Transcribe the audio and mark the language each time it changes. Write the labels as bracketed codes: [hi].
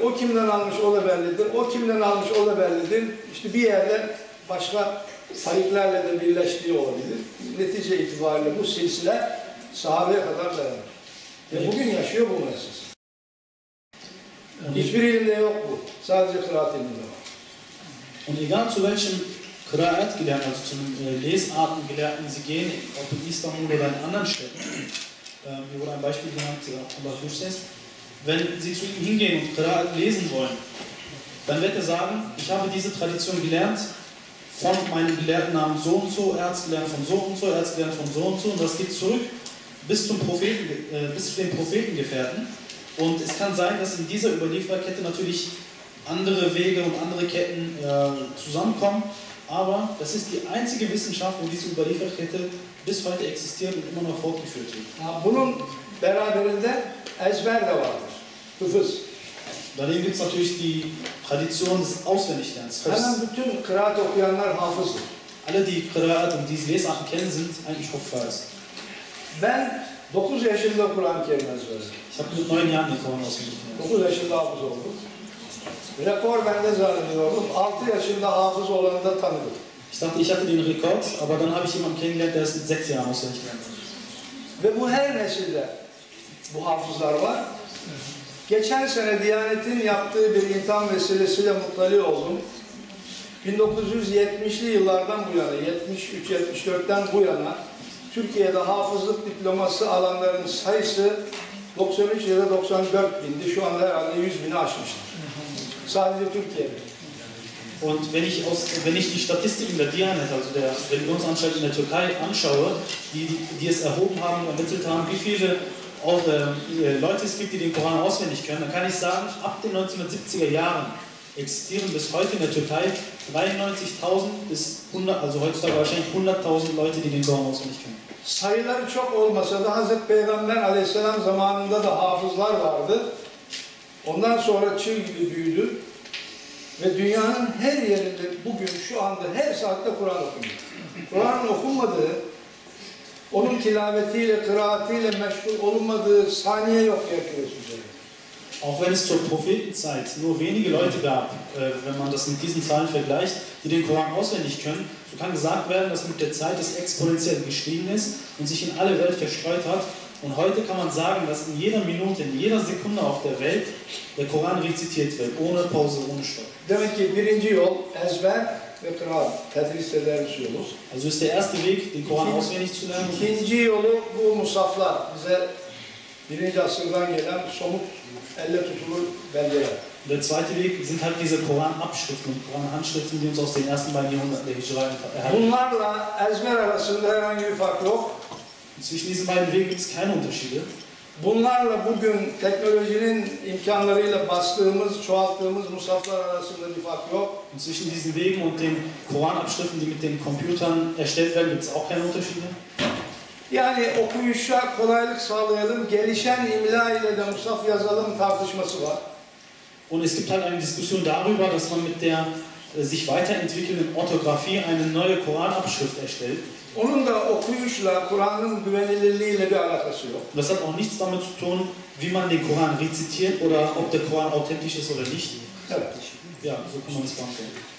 [tr] O kimden almış o da bellidir. O kimden almış o da bellidir. İşte bir yerde başka sahiplerle de birleştiği olabilir. Netice itibariyle bu silsile sahabeye kadar dayanır. Ve bugün yaşıyor bu mesaj. Hiçbir ilimde yok bu. Sadece kıraat ilimde var. [de] Und egal zu welchem Kıraat-Gelehrten, also zu einem Lesarten-Gelehrten Sie gehen, ob in Istanbul oder in anderen Städten, hier wurde ein Beispiel genannt, Abdullah Hüseyin, wenn Sie zu ihm hingehen und Kıraat lesen wollen, dann wird er sagen, ich habe diese Tradition gelernt von meinem Gelehrten namens so und so, er hat es gelernt von so und so, er hat es gelernt von so und so, und das geht zurück bis zum Propheten, bis zu den Prophetengefährten. Und es kann sein, dass in dieser Überlieferkette natürlich andere Wege und andere Ketten zusammenkommen, aber das ist die einzige Wissenschaft, wo diese Überlieferkette bis heute existiert und immer noch fortgeführt wird. [tr] Bunun beraberinde ezber de vardır. Hıfız. [de] Daneben gibt es natürlich die Tradition des Auswendiglernens. [tr] Hemen bütün kıraat okuyanlar hafızdır. [de] Alle, die kıraat und diese Lesarten kennen, sind eigentlich Hufız. [tr] Ben 9 yaşında Kur'an-ı Kerim ezberledim. [de] Ich habe mit 9 Jahren den Koran auswendig gelernt. [tr] 9 yaşında hafız oldum. Rekor bende zannediyordum. 6 yaşında hafız olanı da tanıdım. [de] Ich dachte, ich hatte den Rekord, aber dann habe ich jemanden kennengelernt, der es mit 6 Jahren auswendig gelernt hat. [tr] Ve bu her nesilde bu hafızlar var. Geçen sene Diyanet'in yaptığı bir imtihan vesilesiyle mutlali oldum. 1970'li yıllardan bu yana, 73-74'ten bu yana Türkiye'de hafızlık diploması alanların sayısı 93 ya da 94 bindi. Şu anda herhalde 100 bini aşmıştır. Sadece Türkiye'de. [de] Und wenn ich, wenn ich die Statistiken der Diyanet, also der Religionsanstalt in der Türkei, anschaue, die es erhoben haben, ermittelt haben, wie viele Leute es gibt, die den Koran auswendig können, dann kann ich sagen, ab den 1970er Jahren existieren bis heute in der Türkei 93.000 bis 100, also heutzutage wahrscheinlich 100.000 Leute, die den Koran auswendig können. [tr] Sayılar çok olmasa da Hz. Peygamber aleyhisselam zamanında da hafızlar vardı. Ondan sonra çığ gibi büyüdü. Ve dünyanın her yerinde bugün şu anda her saatte Kur'an okunuyor. Kur'an'ın okunmadığı, onun tilavetiyle, kıraatiyle meşgul olunmadığı saniye yok yakıyorsun. [de] Auch wenn es zur Prophetenzeit nur wenige Leute gab, wenn man das mit diesen Zahlen vergleicht, die den Koran auswendig können, so kann gesagt werden, dass mit der Zeit es exponentiell gestiegen ist und sich in alle Welt verstreut hat. Und heute kann man sagen, dass in jeder Minute, in jeder Sekunde auf der Welt der Koran rezitiert wird, ohne Pause, ohne Stopp. [tr] Demek ki birinci yol ezber ve kıraat, tedris ederiz yolumuz. [de] Also ist der erste Weg, den Koran auswendig zu lernen. [tr] İkinci yolu bu musaflar, bize birinci asırdan gelen somut elle tutulur belgeler. [de] Der zweite Weg sind halt diese Koran-Abschriften, Koran-Handschriften, die uns aus den ersten beiden Jahrhunderten der Hicra erhalten. [tr] Bunlarla ezber arasında herhangi bir fark yok. [de] Zwischen diesen beiden Wegen gibt es keine Unterschiede. [tr] Bunlarla bugün teknolojinin imkanlarıyla bastığımız, çoğalttığımız musaflar arasında bir fark yok. [de] Und zwischen diesen Wegen und den Koran-Abschriften, die mit den Computern erstellt werden, gibt es auch keine Unterschiede. [tr] Yani okuyuşa kolaylık sağlayalım, gelişen imla ile de musaf yazalım tartışması var. [de] Und es gibt halt eine Diskussion darüber, dass man mit der sich weiterentwickelnden Orthographie eine neue Koranabschrift erstellt. [tr] Onun da okuyuşla Kur'an'ın güvenilirliğiyle bir alakası yok. [de] Das hat auch nichts damit zu tun, wie man den Koran rezitiert oder ob der Koran authentisch ist oder nicht. [tr] Evet. [de] Ja, so kann man es beantworten.